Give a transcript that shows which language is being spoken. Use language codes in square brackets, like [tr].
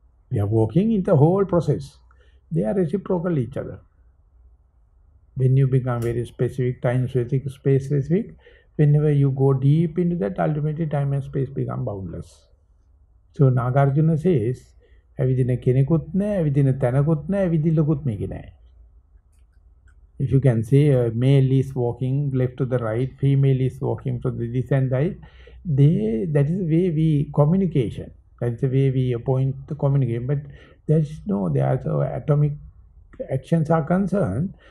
[en] We are walking in the whole process. They are reciprocal each other. When you become very specific, time specific, space specific, whenever you go deep into that, ultimately time and space become boundless. So Nagarjuna says, [si] ඇවිදින කෙනෙකුත් නැහැ, ඇවිදින තැනකුත් නැහැ, ඇවිදිල්ලකුත් මේකේ නැහැ. [en] If you can see a male is walking left to the right, female is walking from this and that, that is the way we communication. That is the way we appoint the communication. But there are so atomic actions are concerned.